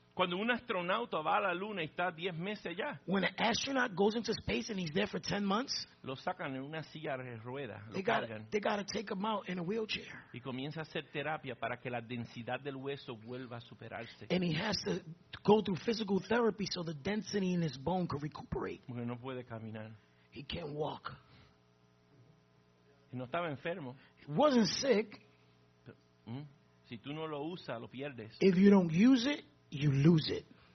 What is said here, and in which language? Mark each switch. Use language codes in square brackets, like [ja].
[es] Cuando un astronauta va a la luna y está 10 meses allá. [en] When an astronaut goes into space and he's there for 10 months. [es] Lo sacan en una silla de ruedas. [en] They gotta take him out in a wheelchair. [es] Y comienza a hacer terapia para que la densidad del hueso vuelva a superarse. [en] And he has to go through physical therapy so the density in his bone can recuperate. [es] Porque no puede caminar. [en] He can't walk. [es] Y no estaba enfermo. [en] He wasn't sick. [es] Si tú no lo usas, lo pierdes. [en] If you don't use it, you lose it.